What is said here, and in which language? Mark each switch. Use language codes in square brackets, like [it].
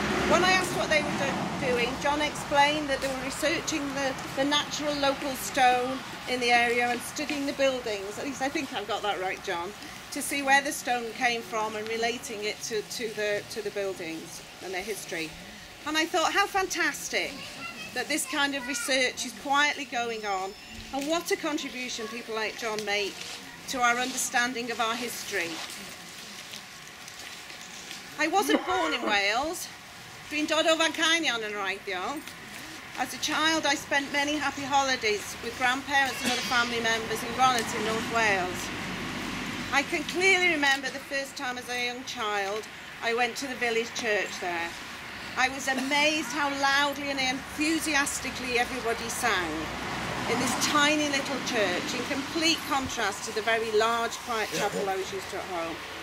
[en] When I asked what they were doing, John explained that they were researching the natural local stone in the area and studying the buildings, at least I think I've got that right, John, to see where the stone came from and relating it to the buildings and their history. And I thought, how fantastic that this kind of research is quietly going on, and what a contribution people like John make to our understanding of our history. I wasn't born in Wales. [cy] Dwi'n dod o Fancainion yn wreiddiol. [en] As a child, I spent many happy holidays with grandparents and other family members in Gronet in North Wales. I can clearly remember the first time as a young child, I went to the village church there. I was amazed how loudly and enthusiastically everybody sang in this tiny little church, in complete contrast to the very large, quiet chapel I was used to at home.